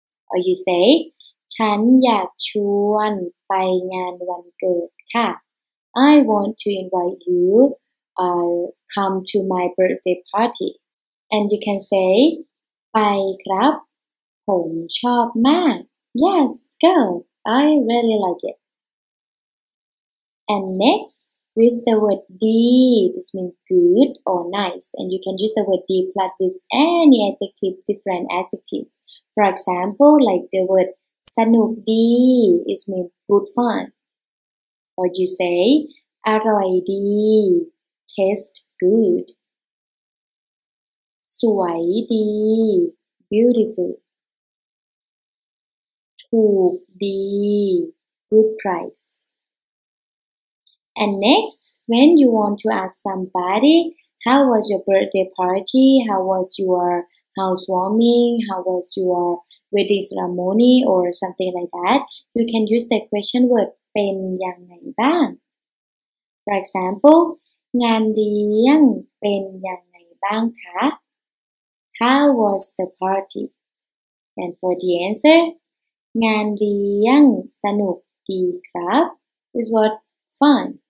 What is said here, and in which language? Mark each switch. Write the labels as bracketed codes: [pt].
[en] Or you say, [th] ฉันอยากชวนไปงานวันเกิดค่ะ [en] I want to invite you come to my birthday party. And you can say, [th] ไปครับผมชอบมาก [en] Yes, go. I really like it. And next, with the word D, this means good or nice. And you can use the word D plus with any adjective, different adjective. For example, like the word [th] สนุกดี, [en] it means good fun. Or you say, [th] อร่อยดี, [en] taste good. [th] สวยดี, [en] beautiful. [th] ถูกดี, [en] good price. And next, when you want to ask somebody, how was your birthday party? How was your housewarming? How was your wedding ceremony or something like that? You can use the question word [th] เป็นยังไงบ้าง [en] For example, [th] งานเลี้ยงเป็นยังไงบ้างคะ [en] How was the party? And for the answer, [th] งานเลี้ยงสนุกดีครับ [en] is what fun.